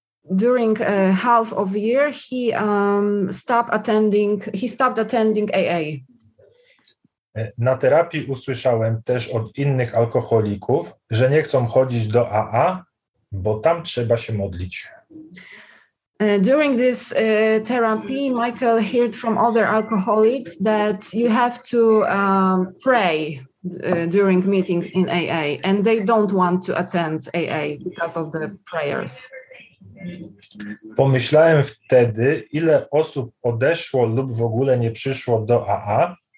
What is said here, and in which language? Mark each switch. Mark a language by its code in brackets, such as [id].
[en] During half of year he stopped attending AA. [pl] Na terapii usłyszałem też od innych alkoholików, że nie chcą chodzić do AA, bo tam trzeba się modlić. [en] During this therapy, Michael heard from other alcoholics that you have to pray during meetings in AA, and they don't want to attend AA because of the prayers. [pl] Pomyślałem wtedy, ile osób odeszło lub w ogóle nie przyszło do AA.